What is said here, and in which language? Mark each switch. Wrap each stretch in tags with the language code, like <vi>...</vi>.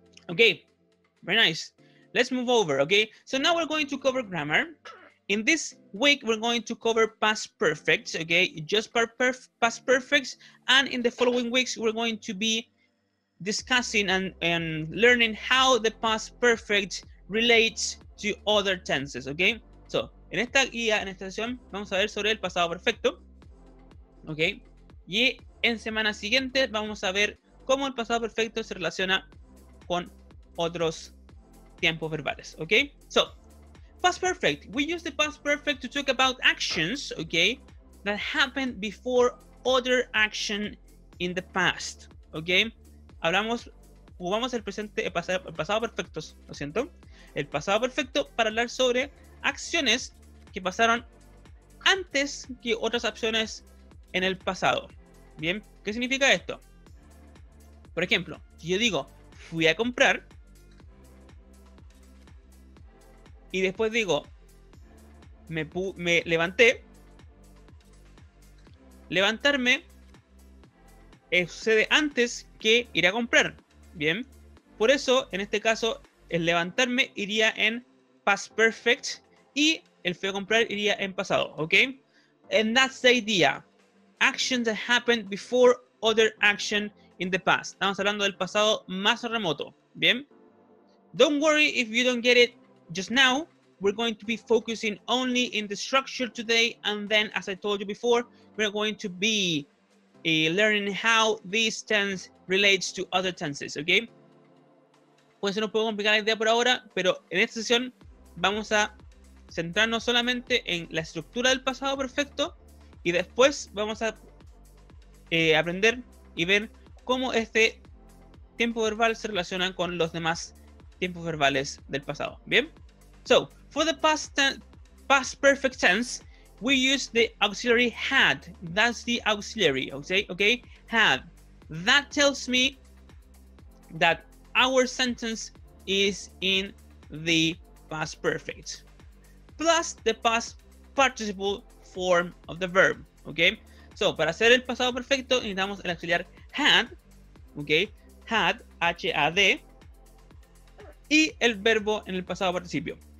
<en>Okay, very nice. Let's move over, okay? So now we're going to cover grammar. In this week, we're going to cover past perfect, okay? Just past perfect. And in the following weeks, we're going to be discussing and learning how the past perfect relates to other tenses, okay?</en> <es>So, en esta guía, en esta sesión, vamos a ver sobre el pasado perfecto, okay? Y en semana siguiente, vamos a ver cómo el pasado perfecto se relaciona con otros tiempos verbales, okay?</es> <en>So, past perfect. We use the past perfect to talk about actions, okay, that happened before other action in the past, okay?</en> <es>Hablamos, jugamos el presente, el pasado perfecto, lo siento. El pasado perfecto para hablar sobre acciones que pasaron antes que otras acciones en el pasado. Bien, ¿qué significa esto? Por ejemplo, si yo digo, fui a comprar. Y después digo, me levanté. Levantarme sucede antes que ir a comprar. Bien, por eso, en este caso, el levantarme iría en past perfect y el fui a comprar iría en pasado, ¿ok?</es> <en>And that's the idea. Actions that happened before other action in the past.</en> <es>Estamos hablando del pasado más remoto, ¿bien?</es> <en>Don't worry if you don't get it just now. We're going to be focusing only in the structure today and then, as I told you before, we're going to be learning how this tense relates to other tenses, ¿ok?</en> <es>Puede ser un poco complicada la idea por ahora, pero en esta sesión vamos a centrarnos solamente en la estructura del pasado perfecto y después vamos a aprender y ver cómo este tiempo verbal se relaciona con los demás tiempos verbales del pasado. ¿Bien?</es> <en>So, for the past perfect tense, we use the auxiliary had. That's the auxiliary, okay? Have. That tells me that our sentence is in the past perfect plus the past participle form of the verb, okay?</en> <es>So, para hacer el pasado perfecto, necesitamos el auxiliar had, okay? Had, H-A-D, y el verbo en el pasado participio.</es>